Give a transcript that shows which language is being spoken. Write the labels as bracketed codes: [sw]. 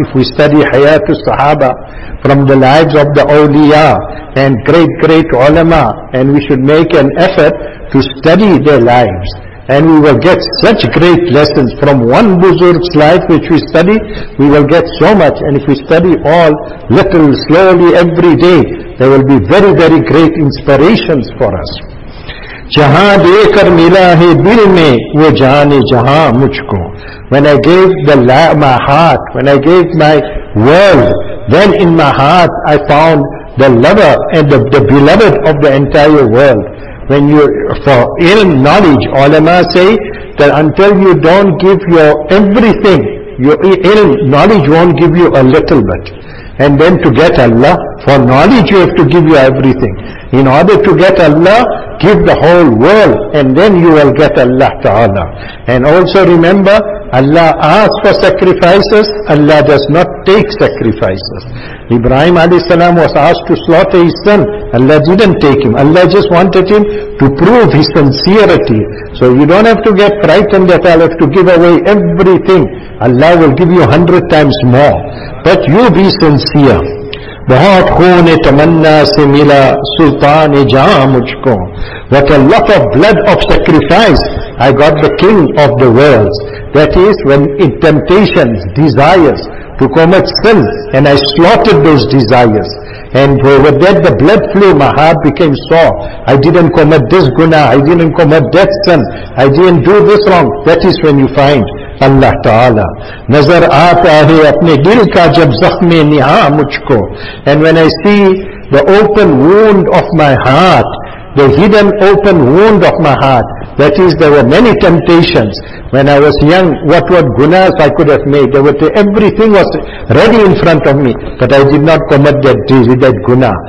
[en] If we study Hayatul Sahaba, from the lives of the Awliya and great, great ulama, and we should make an effort to study their lives, and we will get such great lessons from one Buzurg's life which we study, we will get so much. And if we study all little, slowly, every day, there will be very, very great inspirations for us. [ur] جہاں دے کر ملا ہے دل میں وہ جانے جہاں مجھ کو. [en] When I gave my heart, when I gave my world, then in my heart I found the lover and the beloved of the entire world. When you, for ilm, knowledge, ulama say that until you don't give your everything, your ilm, knowledge won't give you a little bit. And then to get Allah, for knowledge you have to give your everything. In order to get Allah, give the whole world, and then you will get Allah Ta'ala. And also remember, Allah asks for sacrifices, Allah does not take sacrifices. Ibrahim A.S. was asked to slaughter his son, Allah didn't take him. Allah just wanted him to prove his sincerity. So you don't have to get frightened that I'll have to give away everything. Allah will give you 100 times more. But you be sincere. [ur] بہت خون تمنا سے ملا سلطان جہاں مجھ کو. [en] What a lot of blood of sacrifice I got the king of the world. That is, when in temptations, desires to commit sin, and I slaughtered those desires. And with that the blood flew, my heart became sore. I didn't commit this guna, I didn't commit that sin, I didn't do this wrong. That is when you find اللہ تعالی. [ur] نظر آتا ہے اپنے دل کا جب زخم نہاں مجھ کو. [en] And when I see the open wound of my heart, the hidden open wound of my heart, That is, there were many temptations. When I was young, what gunas I could have made. Everything was ready in front of me. But I did not commit that desire, that guna.